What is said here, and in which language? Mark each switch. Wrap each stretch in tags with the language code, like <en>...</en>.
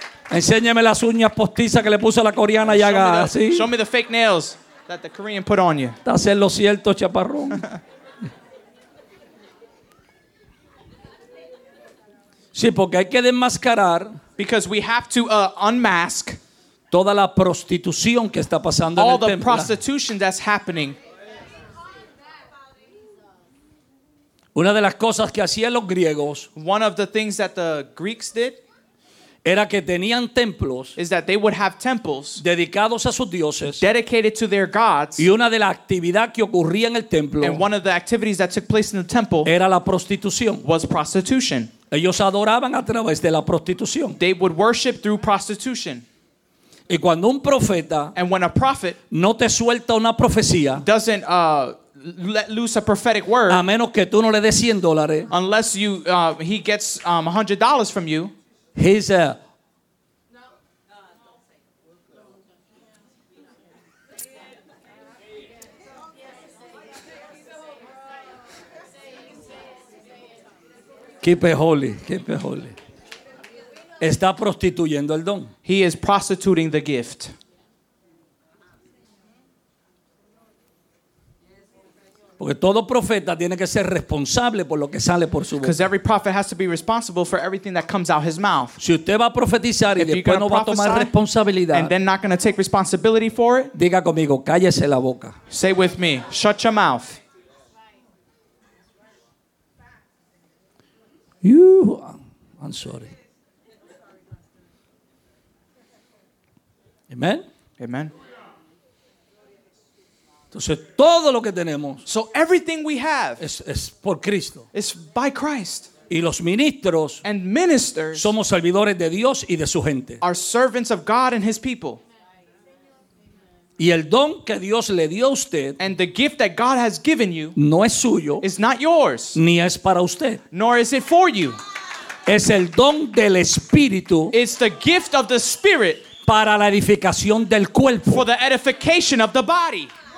<es>Enséñame las uñas postizas que le puso la coreana y haga así.</es> <en>Show me the fake nails that the Korean put on you.</en> <es>Está haciendo lo cierto, chaparrón. Sí, porque hay que desmascarar.</es> <en>Because we have to unmask</en> <es>toda la prostitución que está pasando</es> <en>all</en> <es>en el</es> <en>the</en> <es>templo.</es> <en>Prostitution that's happening.</en> <es>Una de las cosas que hacían los griegos,</es> <en>one of the things that the Greeks did,</en> <es>era que tenían templos,</es> <en>is that they would have temples</en> <es>dedicados a sus dioses,</es> <en>dedicated to their gods,</en> <es>y una de las actividades que ocurría en el templo,</es> <en>and one of the activities that took place in the temple,</en> <es>era la prostitución,</es> <en>was prostitution.</en> <es>Ellos adoraban a través de la prostitución.</es> <en>They would worship through prostitution.</en> <es>Y cuando un profeta,</es> <en>and when a prophet,</en> <es>no te suelta una profecía,</es> <en>doesn't let loose a prophetic word,</en> <es>a menos que tú no le des 100 dólares,</es> <en>unless you he gets $100 from you, he's a keep it holy.</en> <es>Está prostituyendo el don.</es> <en>He is prostituting the gift.</en> <es>Porque todo profeta tiene que ser responsable por lo que sale por su boca.</es> <en>Because every prophet has to be responsible for everything that comes out his mouth.</en> <es>Si usted va a profetizar y después no va a tomar responsabilidad,</es> <en>and then not going to take responsibility for it,</en> <es>diga conmigo, cállese la boca.</es> <en>Say with me, shut your mouth. You, I'm sorry. Amen. Amen.</en> <es>Entonces todo lo que tenemos,</es> <en>so everything we have,</en> <es>es por Cristo.</es> <en>It's by Christ.</en> <es>Y los ministros,</es> <en>and ministers,</en> <es>somos servidores de Dios y de su gente.</es> <en>Are servants of God and His people.</en> <es>Y el don que Dios le dio a usted,</es> <en>and the gift that God has given you,</en> <es>no es suyo,</es> <en>is not yours,</en> <es>ni es para usted,</es> <en>nor is it for you.</en> <es>Es el don del Espíritu.</es> <en>It's the gift of the Spirit.</en> <es>Para la edificación del cuerpo.</es> <en>For the edification of the body.</en>